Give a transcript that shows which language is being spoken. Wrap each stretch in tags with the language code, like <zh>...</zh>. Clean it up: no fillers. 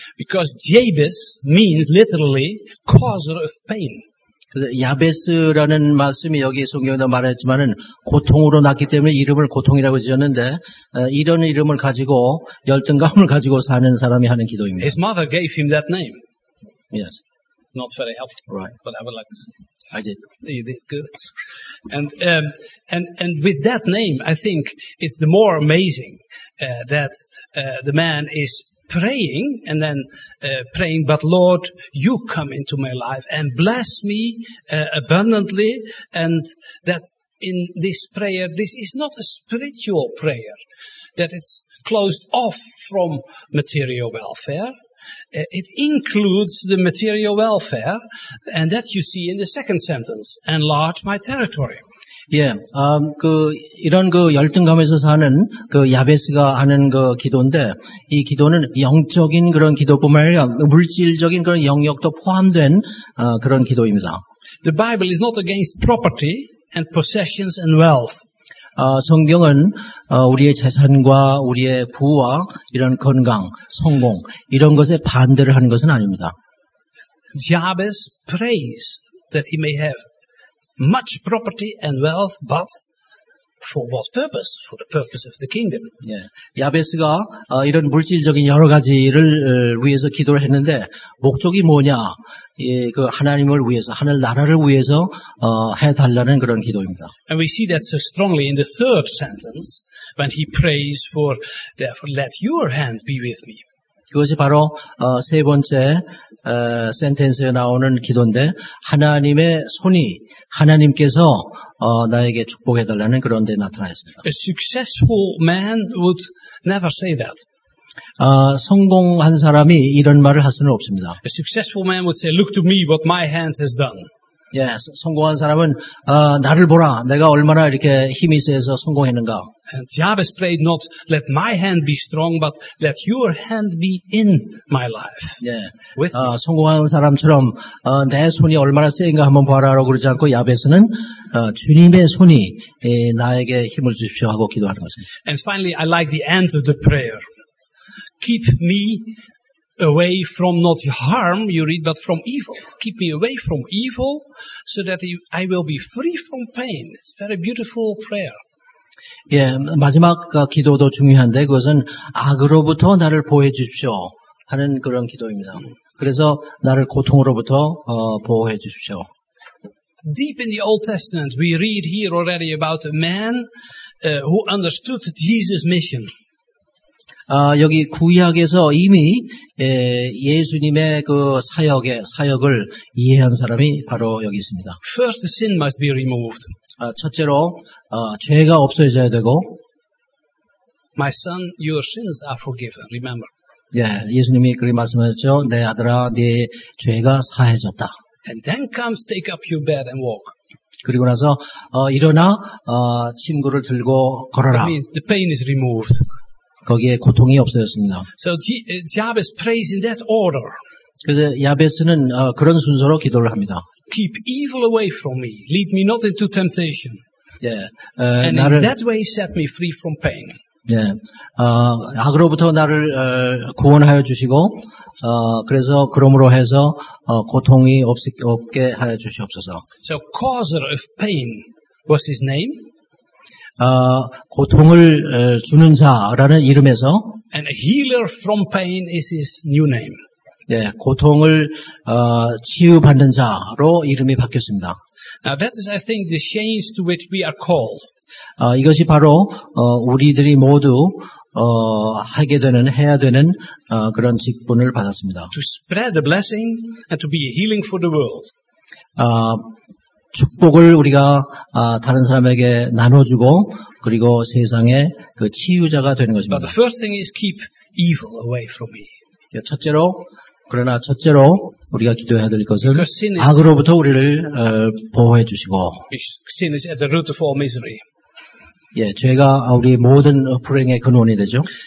<en>Because Jabez means literally causer of pain.</en> <ko>그래서 야베스라는 말씀이 여기 성경에도 말했지만은 고통으로 났기 때문에 이름을 고통이라고 지었는데 이런 이름을 가지고 열등감을 가지고 사는 사람이 하는 기도입니다.</ko> <en>His mother gave him that name. Yes. Not very helpful. Right. But I would like to say. I did. You did good. And with that name, I think it's the more amazing that the man is praying and then praying, but Lord, you come into my life and bless me abundantly, and that in this prayer, this is not a spiritual prayer, that it's closed off from material welfare. It includes the material welfare, and that you see in the second sentence, enlarge my territory.</en> <ko>예, 그 이런 그 열등감에서 사는 그 야베스가 하는 그 기도인데 이 기도는 영적인 그런 기도뿐만 아니라 물질적인 그런 영역도 포함된 그런 기도입니다.</ko> <en>The Bible is not against property and possessions and wealth.</en> <ko>성경은 우리의 재산과 우리의 부와 이런 건강, 성공 이런 것에 반대를 하는 것은 아닙니다.</ko> <en>Jabez prays that he may have much property and wealth, but for what purpose? For the purpose of the kingdom.</en> <ko>예, 야베스가 이런 물질적인 여러 가지를 위해서 기도를 했는데 목적이 뭐냐? 예, 그 하나님을 위해서, 하늘 나라를 위해서 해달라는 그런 기도입니다.</ko> <en>And we see that so strongly in the third sentence when he prays for, therefore let your hand be with me.</en> <ko>그것이 바로 세 번째 센텐스에 나오는 기도인데 하나님의 손이 하나님께서 나에게 축복해달라는 그런 데 나타나 있습니다.</ko> <en>A successful man would never say that.</en> <ko>성공한 사람이 이런 말을 할 수는 없습니다.</ko> <en>A successful man would say, look to me what my hand has done. Yes,</en> <ko>성공한 사람은 나를 보라. 내가 얼마나 이렇게 힘이 세서 성공했는가.</ko> <en>And Jabez prayed not, let my hand be strong, but let your hand be in my life. Yeah. With me.</en> <ko>성공한 사람처럼 내 손이 얼마나 세인가 한번 보라라고 그러지 않고 야베스는 주님의 손이 나에게 힘을 주십시오 하고 기도하는 것입니다.</ko> <en>And finally, I like the end of the prayer. Keep me away from not harm, you read, but from evil. Keep me away from evil so that I will be free from pain. It's a very beautiful prayer.</en> <ko>예, 마지막 기도도 중요한데 그것은 악으로부터 나를 보호해 주십시오 하는 그런 기도입니다. 그래서 나를 고통으로부터 보호해 주십시오.</ko> <en>Deep in the Old Testament, we read here already about a man who understood Jesus' mission.</en> <ko>여기 구약에서 이미 예수님의 그 사역을 이해한 사람이 바로 여기 있습니다.</ko> <en>First, sin must be removed.</en> <ko>첫째로 죄가 없어져야 되고.</ko> <en>My son, your sins are forgiven. Remember.</en> <ko>예, 예수님이 그렇게 말씀하셨죠. 내 아들아, 네 죄가 사해졌다.</ko> <en>And then comes take up your bed and walk.</en> <ko>그리고 나서 일어나 침구를 들고 걸어라.</ko> <en>I mean, the pain is removed.</en> <ko>거기에 고통이 없어졌습니다.</ko> <en>So Jabez prays in that order.</en> <ko>그래서 야베스는 그런 순서로 기도를 합니다.</ko> <en>Keep evil away from me. Lead me not into temptation.</en> <ko>예,</ko> <en>And</en> <ko>나를,</ko> <en>in that way set me free from pain.</en> <ko>예, 악으로부터 나를 구원하여 주시고 그래서 그러므로 해서 고통이 없게 하여 주시옵소서.</ko> <en>So causer of pain was his name.</en> <ko>고통을 주는 자라는 이름에서</ko> <en>And a healer from pain is his new name.</en> <ko>예, 고통을 치유받는 자로 이름이 바뀌었습니다.</ko> <en>Now that is, I think, the change to which we are called.</en> <ko>이것이 바로 우리들이 모두 하게 되는 해야 되는 그런 직분을 받았습니다.</ko> <en>To spread the blessing and to be a healing for the world.</en> <ko>축복을 우리가 다른 사람에게 나눠주고 그리고 세상의 그 치유자가 되는 것입니다.</ko> <en>But the first thing is keep evil away from me.</en> <ko>첫째로 그러나 첫째로 우리가 기도해야 될 것은 악으로부터 우리를 보호해 주시고.</ko> <en>Sin is at the root of all misery.</en> <ko>예, 죄가 우리 모든 불행의 근원이 되죠.</ko>